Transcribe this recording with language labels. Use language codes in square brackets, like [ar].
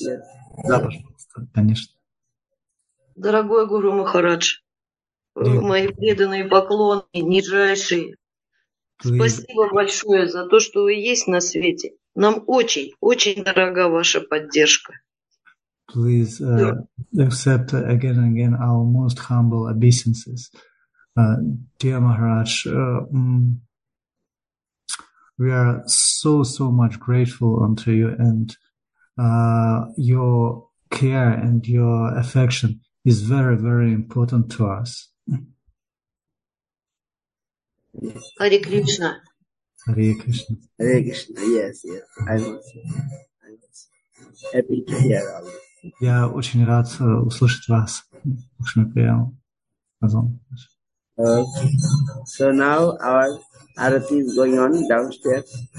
[en] Yes, yes. [ru] Да, пожалуйста, конечно. Дорогой Гуру Махарадж, мои преданные поклоны, нижайшие, спасибо большое за то, что вы есть на свете. Нам очень, очень дорога ваша поддержка. [en] Please accept again and again our most humble obeisances. Dear Maharaj, we are so, so much grateful unto you, and your care and your affection is very, very important to us. Hare Krishna. Hare Krishna. Hare Krishna, yes, yes. I was happy to hear all of [ru] you. Я очень рад услышать вас. Лакшми Прия. Пожалуйста. [en] So now our arati is going on downstairs.